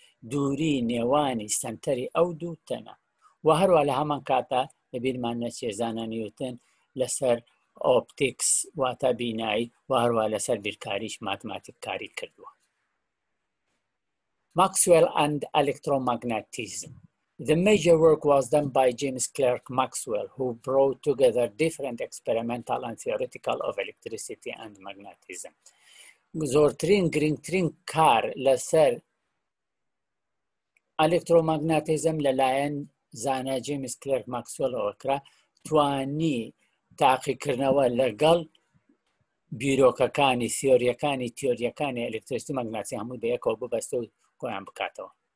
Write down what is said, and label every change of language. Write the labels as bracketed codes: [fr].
[ckb] دووری نێوانی سەنتەری ئەو دوو تەنە، و هەروە لە هەمان کاتە بیرمان نەچێ زانە نیوتن لەسەر ئۆپتیکس واتە بینایی و هەروە لەسەر بیرکاریش ماتماتیک کاری کردووە. [en] Maxwell and electromagnetism. The major work was done by James Clerk Maxwell, who brought together different experimental and theoretical of electricity and magnetism. [ckb] زۆرترین گرنگترین کار لەسەر ئەلکترۆماگنەتیزم لەلایەن زانە جیمس کلێرک ماکسوێلەوە کرا، توانی تاقیکردنەوە لەگەڵ بیرۆکەکانی سیۆریەکانی تیۆریەکانی ئەلکتریسیتی ماگناتیزم هەموو بەیەکەوە ببەستە و گۆیان بکاتەوە.